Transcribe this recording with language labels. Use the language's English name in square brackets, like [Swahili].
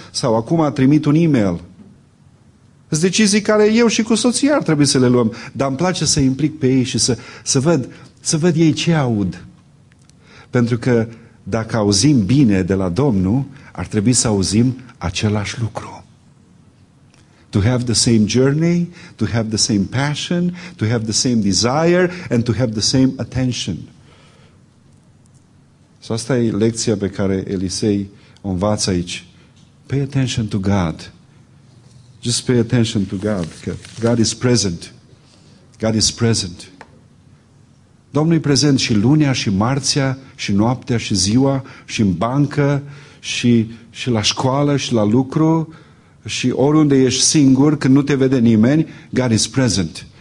[Romanian] Sau acum a trimit un e-mail. Sunt decizii care eu și cu soția ar trebui să le luăm. Dar îmi place să implic pe ei și să văd ei ce aud. Pentru că dacă auzim bine de la Domnul, ar trebui să auzim același lucru. [English] To have the same journey, to have the same passion, to have the same desire, and to have the same attention. So [Romanian] asta e lecția pe care Elisei o învață aici. [English] Pay attention to God. Just pay attention to God. God is present. God is present. [Romanian] Domnul e prezent și lunea, și marțea, și noaptea, și ziua, și în bancă, și la școală, și la lucru, și oriunde ești singur, când nu te vede nimeni, [English] God is present.